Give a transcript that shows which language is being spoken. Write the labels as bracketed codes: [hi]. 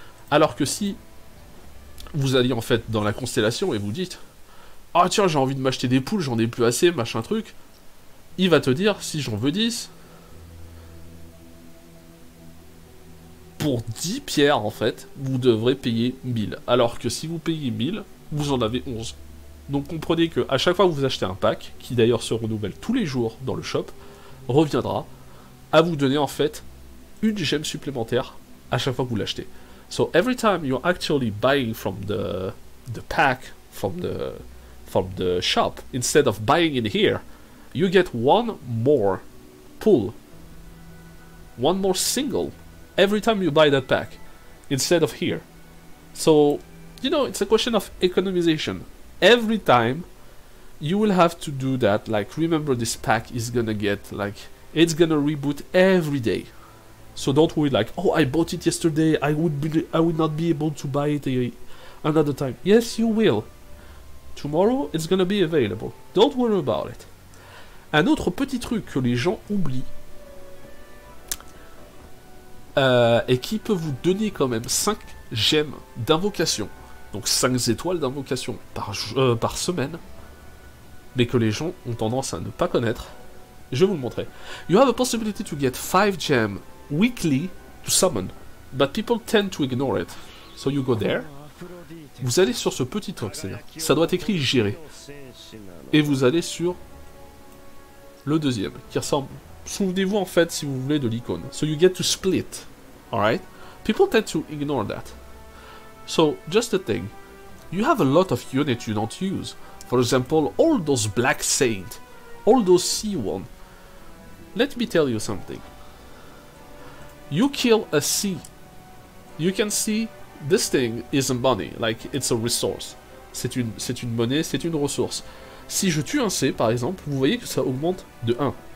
[fr] Alors que si vous alliez en fait dans la constellation et vous dites « Ah tiens, j'ai envie de m'acheter des poules, j'en ai plus assez, machin truc », il va te dire « Si j'en veux 10, pour 10 pierres en fait, vous devrez payer 1000. » Alors que si vous payez 1000, vous en avez 11. Donc comprenez que à chaque fois que vous achetez un pack, qui d'ailleurs se renouvelle tous les jours dans le shop, reviendra à vous donner en fait une gemme supplémentaire à chaque fois que vous l'achetez. [en] So every time you're actually buying from the pack from the shop instead of buying in here, you get one more pull, one more single every time you buy that pack instead of here. So you know, it's a question of economization. Every time you will have to do that, like, remember, this pack is gonna get, like, it's gonna reboot every day. So don't worry, like, oh, I bought it yesterday, I would not be able to buy it another time. Yes, you will. Tomorrow, it's gonna be available. Don't worry about it. [fr] Un autre petit truc que les gens oublient, et qui peut vous donner quand même 5 gemmes d'invocation, donc 5 étoiles d'invocation par semaine, mais que les gens ont tendance à ne pas connaître, je vais vous le montrer. [en] You have a possibility to get 5 gems weekly to summon, but people tend to ignore it. So you go there. [fr] Vous allez sur ce petit truc, c'est-à-dire, ça doit être écrit gérer. Et vous allez sur le deuxième, qui ressemble. Souvenez-vous en fait, si vous voulez, de l'icône. [en] So you get to split. Alright? People tend to ignore that. So just the thing. You have a lot of units you don't use. For example, all those Black Saints, all those Sea One. Let me tell you something. You kill a sea, you can see this thing is a money, like, it's a resource. [fr] C'est une monnaie, c'est une ressource. Si je tue un C, par exemple, vous voyez que ça augmente de 1.